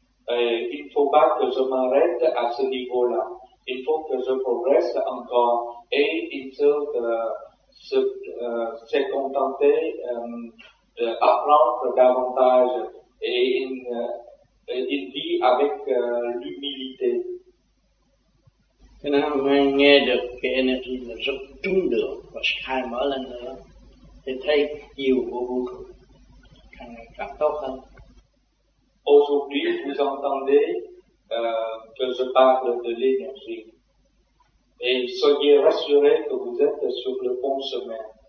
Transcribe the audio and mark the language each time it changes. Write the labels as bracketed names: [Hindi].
[French] Il ne faut pas que je m'arrête à ce niveau-là. Il faut que je progresse encore et il faut se contenter d'apprendre davantage et il vit avec l'humilité. [Vietnamese] Cho nên mình nghe được cái energy là rất trúng đường và khai mở lên nữa, thì thấy nhiều vô cùng, càng ngày càng tốt hơn. [French] Aujourd'hui, vous entendez que je parle de l'énergie. Et soyez rassurés que vous êtes sur le bon chemin.